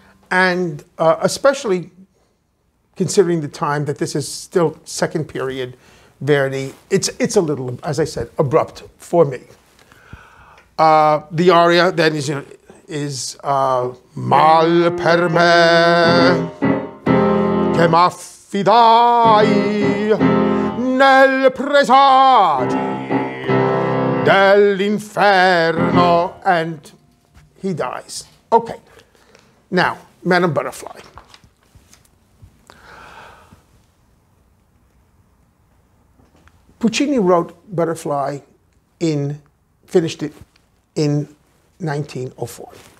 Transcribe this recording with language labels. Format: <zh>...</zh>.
<en>And especially considering the time that this is still second period Verdi, it's a little, as I said, abrupt for me. The aria then is, you know, is</en> <it>mal per me che m'affidai nel presagi dell'inferno, and he dies.</it> <en>Okay, now, Madame Butterfly. Puccini wrote Butterfly finished it in 1904.</en>